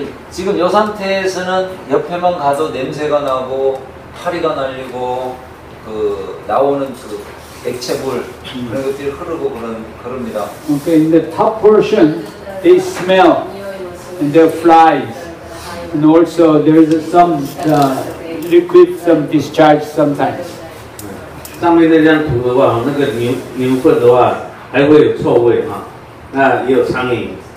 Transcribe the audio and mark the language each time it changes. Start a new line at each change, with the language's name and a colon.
Korean: 지금 이 상태에서는 옆에만 가도 냄새가 나고 파리가 날리고 그 나오는 그 액체물 그런 것들이 흐르고 그럽니다.
English: Okay, in the top portion, they smell and they're flies, and also there's some liquid, some discharge sometimes.
Chinese: 上面那张图的话，那个牛粪的话还会有臭味啊，那也有苍蝇。